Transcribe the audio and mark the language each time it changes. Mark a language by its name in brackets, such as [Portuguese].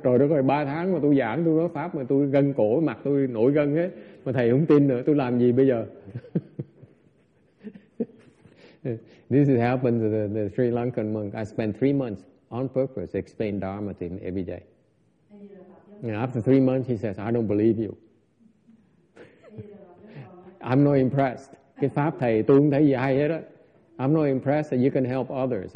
[Vietnamese] Trời đất ơi, 3 tháng mà tôi giảng tôi nói pháp mà tôi gân cổ, mặt tôi nổi gân hết, mà thầy không tin nữa, tôi làm gì bây giờ? [English] This is happened to the Sri Lankan monk. I spent 3 months on purpose explain Dharma to him every day. And after 3 months he says, I don't believe you. I'm not impressed. [Vietnamese] Cái pháp thầy tôi không thấy gì hay hết á. [English] I'm not impressed that you can help others.